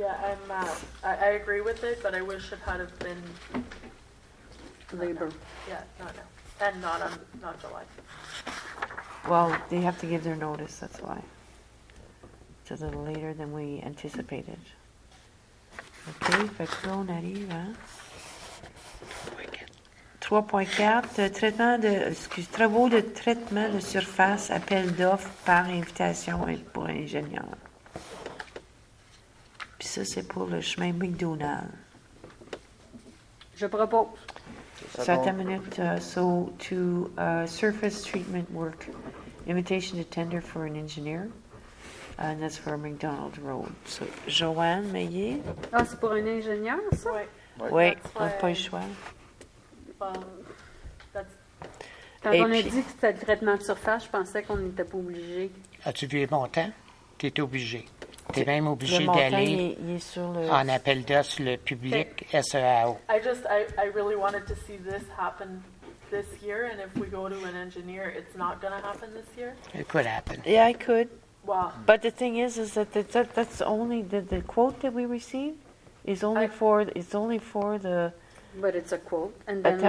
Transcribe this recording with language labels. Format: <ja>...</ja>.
<en>Yeah, I'm, I agree with it, but I wish it had have been labor. Yeah, not now. And not on, not July. Well, they have to give their notice, that's why. It's a little later than we anticipated.</en> <fr>OK, fait que là, on arrive à 3.4, traitement de, excuse, travaux de traitement de surface, appel d'offres par invitation pour ingénieur. Puis ça, c'est pour le chemin McDonald. Je propose. Certaines minutes,</fr> <en>so to surface treatment work, invitation to tender for an engineer. And that's for McDonald Road. So, Joanne Meillet.</en> <fr>Ah, c'est pour un ingénieur, ça? Oui. On n'a pas le choix. Quand on a dit que c'était le traitement de surface, je pensais qu'on n'était pas obligé. As-tu vu les montants? Tu es obligé. Tu es même obligé d'aller en appel d'offres sur le public SEAO.</fr> <en>I really wanted to see this happen. This year, and if we go to an engineer, it's not going to happen this year? It could happen. Yeah, it could. Wow. But the thing is that that's only the quote that we received is only for the. But it's a quote, and then we</en>